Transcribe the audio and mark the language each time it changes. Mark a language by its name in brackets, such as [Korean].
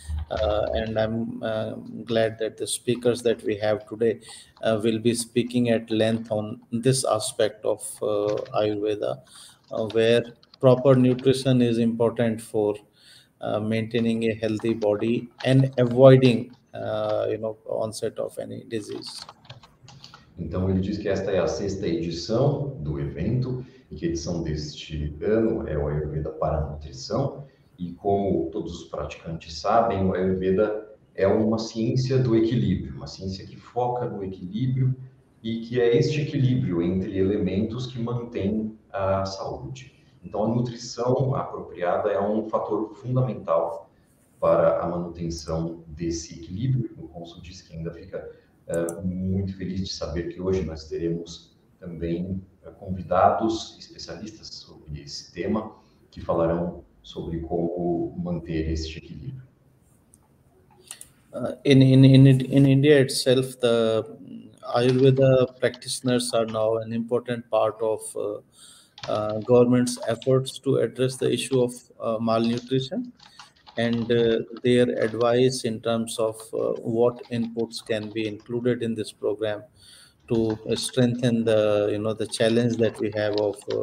[English] And I'm glad that the speakers that we have today will be speaking at length on this aspect of Ayurveda, where proper nutrition is important for maintaining a healthy body and avoiding, onset of any disease. [Portuguese] Então, ele diz que esta é a sexta edição do evento, e que a edição deste ano é o Ayurveda para a nutrição. E como todos os praticantes sabem, o Ayurveda é uma ciência do equilíbrio, uma ciência que foca no equilíbrio e que é este equilíbrio entre elementos que mantém a saúde. Então, a nutrição apropriada é um fator fundamental para a manutenção desse equilíbrio. O cônsul diz que ainda fica muito feliz de saber que hoje nós teremos também convidados especialistas sobre esse tema que falarão sobre como manter este equilíbrio. [English] In India itself, the Ayurveda practitioners are now an important part of government's efforts to address the issue of malnutrition and their advice in terms of what inputs can be included in this program to strengthen the, the challenge that we have of